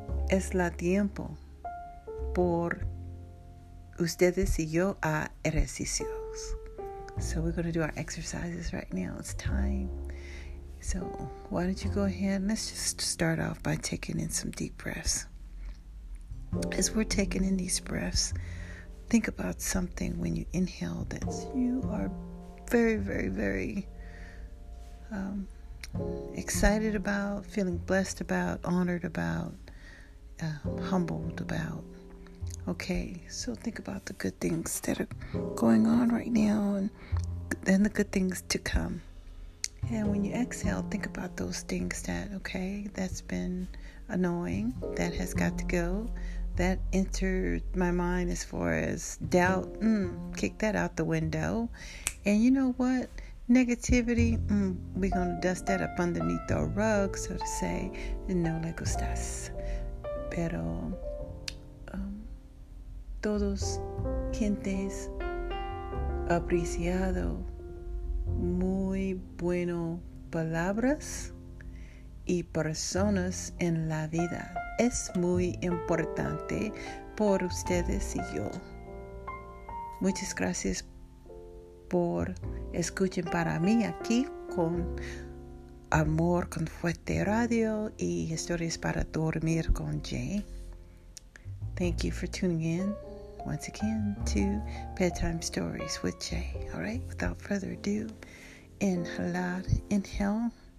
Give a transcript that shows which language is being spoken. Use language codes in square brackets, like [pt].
[es] Es la tiempo por ustedes y yo a ejercicios. [en] So we're going to do our exercises right now. It's time. So why don't you go ahead and let's just start off by taking in some deep breaths. As we're taking in these breaths, think about something when you inhale that you are very, very, very excited about, feeling blessed about, honored about, humbled about. Okay, so think about the good things that are going on right now and then the good things to come. And when you exhale, think about those things that, okay, that's been annoying, that has got to go, that entered my mind as far as doubt, kick that out the window. And you know what? Negativity, we're going to dust that up underneath the rug, so to say. [es] No le gustas. Pero todos gentes apreciado muy bueno palabras y personas en la vida. Es muy importante por ustedes y yo. Muchas gracias por escuchen para mí aquí con Amor con Fuerte Radio y Historias para Dormir con Jay. [en] Thank you for tuning in once again to Bedtime Stories with Jay. All right, without further ado, inhalar, inhale.